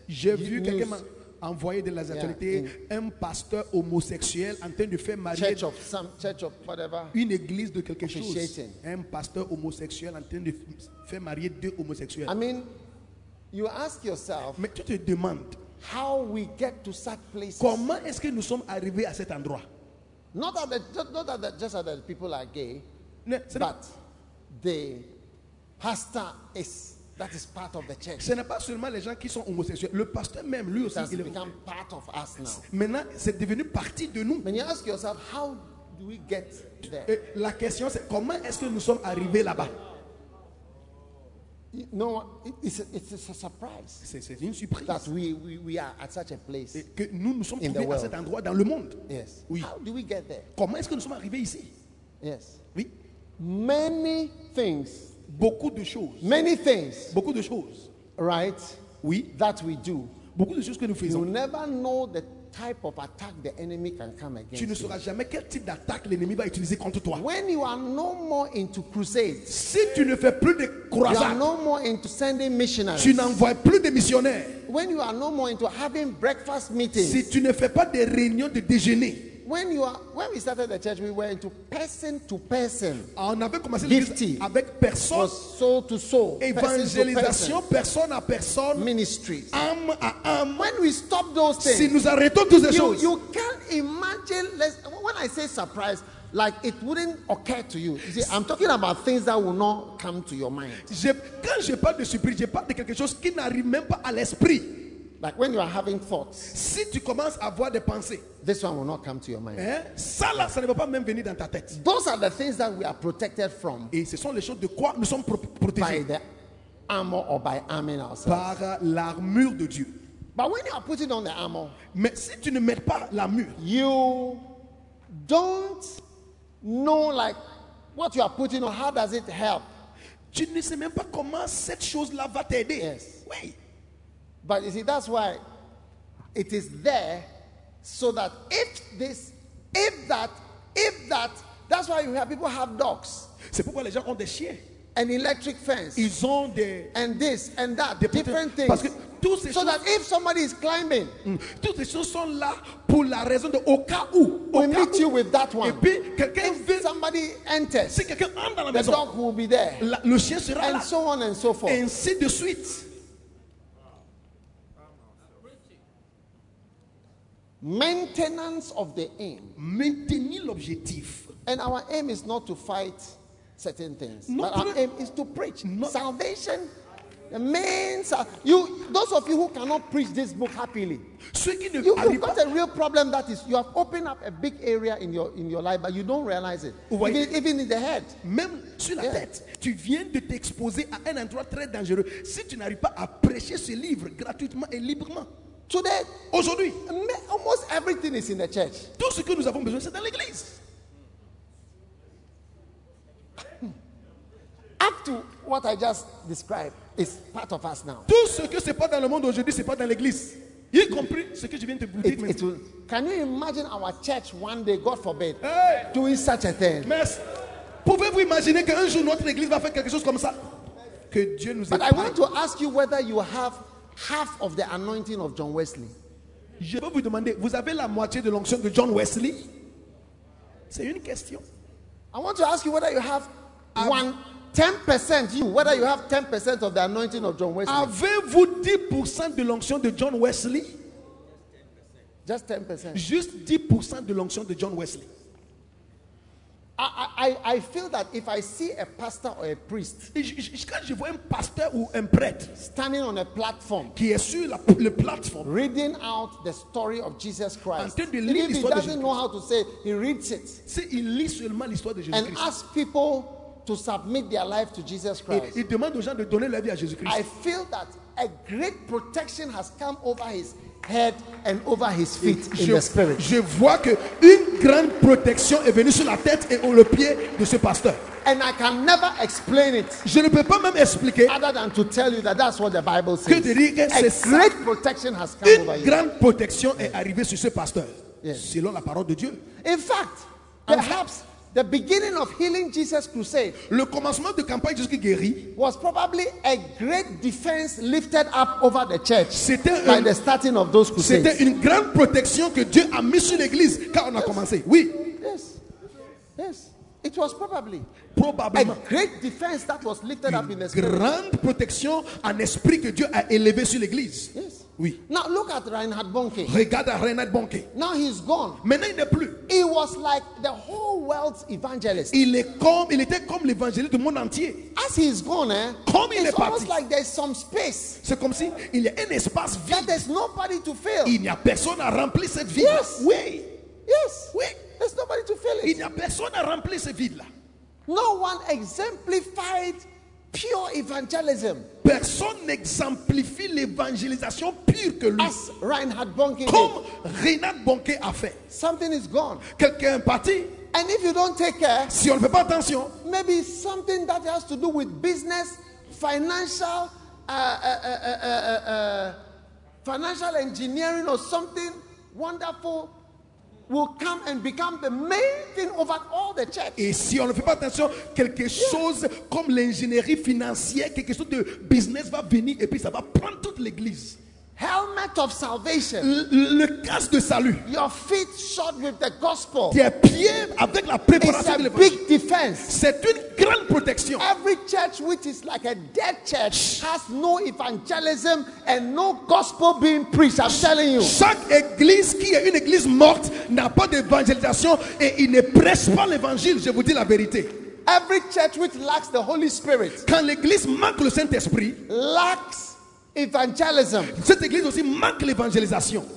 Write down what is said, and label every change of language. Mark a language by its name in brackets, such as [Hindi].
[French] J'ai vu quelqu'un envoyer de la autorité un pasteur homosexuel en train de faire marier [English] church of some church of whatever [French] une église de quelque [English] officiating. [French] Chose. Un pasteur homosexuel en train de faire marier deux homosexuels. [English] I mean, you ask yourself. [French] Mais tu te demandes [English] how we get to such places. [French] Comment est-ce que nous sommes arrivés à cet endroit? [English] Not that people are gay, but the pastor is that is part of the church. [French] Ce n'est pas seulement les gens qui sont homosexuels. Le pasteur même lui aussi. [English] It has become part of us now. [French] Maintenant, c'est devenu partie de nous. [English] When you ask yourself, how do we get there? [French] La question c'est comment est-ce que nous sommes arrivés là-bas? [English] No, it's a surprise. [French] C'est une surprise. [English] That we are at such a place. [French] Et que nous sommes trouvés à cet endroit dans le monde. [English] Yes. [French] Oui. [English] How do we get there? [French] Comment est-ce que nous sommes arrivés ici? [English] Yes. [French] Oui. [English] Many things. [French] Beaucoup de choses. [English] Many things. [French] Beaucoup de choses. [English] Right. [French] Oui. [English] That we do. [French] Beaucoup de choses que nous faisons. [English] You never know the type of attack the enemy can come against. [French] Tu ne sauras jamais quel type d'attaque l'ennemi va utiliser contre toi. [English] When you are no more into crusades, [French] si tu ne fais plus de croisades, [English] you are no more into sending missionaries, [French] tu n'envoies plus de missionnaires. [English] When you are no more into having breakfast meetings, [French] si tu ne fais pas des réunions de déjeuner. [English] When we started the church, we were into person to person. [French] On avait commencé l'église avec personne. [English] Soul to soul. [French] Évangélisation personne à personne. [English] Ministry. [French] Âme à âme. [English] When we stop those things, [French] si nous arrêtons toutes ces choses, [English] you can't imagine. Less, when I say surprise, like it wouldn't occur to you. You see, I'm talking about things that will not come to your mind. [French] Quand je parle de surprise, je parle de quelque chose qui n'arrive même pas à l'esprit. [English] Like when you are having thoughts, [French] si tu commences à avoir des pensées, [English] this one will not come to your mind. Eh? [French] Ça, là, ça ne va pas même venir dans ta tête. [English] Those are the things that we are protected from. [French] Et ce sont les choses de quoi nous sommes protégés. [English] By the armor or by arming ourselves. [French] Par l'armure de Dieu. [English] But when you are putting on the armor, [French] mais si tu ne mets pas l'armure, [English] you don't know like what you are putting on. How does it help? [French] Tu ne sais même pas comment cette chose-là va t'aider. [English] Yes. [French] Oui. [English] But you see, that's why it is there, so that if that, that's why you have people have dogs. [French] C'est pourquoi les gens ont des chiens. [English] an electric fence. [French] Ils ont des, [English] and this and that, [French] des [English] different things. [French] Parce que toutes ces [English] so [French] choses, [English] that if somebody is climbing, [French] toutes ces choses sont là pour la raison de au cas où, au [English] we [French] cas [English] meet [French] où. [English] You with that one. [French] Et puis, quelqu'un [English] if [French] veut, [English] somebody enters, [French] si quelqu'un entre dans la [English] the [French] maison, [English] dog will be there. [French] La, le chien sera [English] and [French] là. [English] And so on and so forth. [French] Ainsi de suite. [English] Maintenance of the aim. [French] Maintenir l'objectif. [English] And our aim is not to fight certain things. Not but our aim is to preach. Salvation. The main you those of you who cannot preach this book happily. You've got a real problem that is you have opened up a big area in your life, but you don't realize it. Even in the head. [French] Même sur la [English] yeah. [French] tête, tu viens de t'exposer à un endroit très dangereux. Si tu n'arrives pas à prêcher ce livre gratuitement et librement. [English] Today, [French] aujourd'hui, [English] almost everything is in the church. [French] Tout ce que nous avons besoin, c'est dans l'église. [English] Up to what I just described is part of us now. [French] Tout ce que c'est pas dans le monde aujourd'hui, c'est pas dans l'église. Y compris ce que je viens de vous dire. [English] Can you imagine our church one day, God forbid, hey. Doing such a thing? [French] Mais pouvez-vous imaginer qu'un jour notre église va faire quelque chose comme ça? Que Dieu nous aide. [English] But I want to ask you whether you have half of the anointing of John Wesley. [French] Je veux vous demander, vous avez la moitié de l'onction de John Wesley? C'est une question. [English] I want to ask you whether you have 10% you, whether you have 10% of the anointing of John Wesley. [French] Avez-vous 10% de l'onction de John Wesley? [English] Just 10%. [French] Juste 10% de l'onction de John Wesley. [English] I feel that if I see a pastor or a priest [French] quand je vois un pasteur ou un prêtre [English] standing on a platform [French] qui est sur la, le platform [English] reading out the story of Jesus Christ [French] en train de lire l'histoire [English] he doesn't [French] de Jésus [English] know how to say he reads it [French] si il lit seulement l'histoire de Jésus [English] and [French] Christ. [English] Ask people to submit their life to Jesus Christ [French] il demande aux gens de donner leur vie à Jésus Christ [English] I feel that a great protection has come over his head and over his feet in the spirit. [French] Je vois que une grande protection est venue sur la tête et au le pied de ce pasteur. [English] And I can never explain it. [French] Je ne peux pas même expliquer. [English] Other than to tell you that that's what the Bible says. [French] Que de dire que c'est [English] a great protection has come over you. [French] Une grande protection est arrivée sur ce pasteur. [English] Yes. [French] Selon la parole de Dieu. [English] In fact, perhaps the beginning of healing Jesus' crusade. [French] Le commencement de campagne Jésus qui guérit [English] was probably a great defense lifted up over the church. [French] C'était [English] by the starting of those crusades. [French] C'était une grande protection que Dieu a mis sur l'église quand on a commencé. Oui. [English] Yes. Yes. It was probably. [French] Probablement. [English] A great defense that was lifted up in the spirit. [French] Grande protection en esprit que Dieu a élevé sur l'église. [English] Yes. [French] Oui. [English] Now look at Reinhard Bonnke. [French] Regarde à Reinhard Bonnke. [English] Now he's gone. [French] Maintenant il n'est plus. [English] He was like the whole world's evangelist. [French] Il était comme l'évangéliste du monde entier. [English] As he's gone, eh? [French] Comme [English] it's [French] il est parti. [English] It's almost like there's some space. [French] C'est comme si il y a un espace vide. [English] That there's nobody to fill. [French] Il n'y a personne à remplir cette vide. [English] Yes. [French] Oui. [English] Yes. [French] Oui. [English] There's nobody to fill it. [French] Il n'y a personne à remplir cette vide là. [English] No one exemplified pure evangelism. [French] Personne n'exemplifie l'évangélisation pure que lui. [English] As Reinhard Bonnke [French] comme Reinhard Bonnke a fait. [English] Something is gone. [French] Quelqu'un est parti. [English] And if you don't take care, [French] si on ne fait pas attention, [English] maybe something that has to do with business, financial engineering or something wonderful will come and become the main thing over all the church. [French] Et si on ne fait pas attention, quelque chose comme l'ingénierie financière, quelque chose de business va venir et puis ça va prendre toute l'église. [English] Helmet of salvation. [French] Le casque de salut. [English] Your feet shod with the gospel. [French] Tes pieds avec la préparation de l'évangile. [English] Big defense. [French] C'est une grande protection. [English] Every church which is like a dead church has no evangelism and no gospel being preached. I'm telling you. [French] Chaque église qui est une église morte n'a pas d'évangélisation et il ne prêche pas l'évangile. Je vous dis la vérité. [English] Every church which lacks the Holy Spirit. [French] Quand l'église manque le Saint-Esprit. [English] Lacks evangelism. [French] Cette église aussi manque l'évangélisation.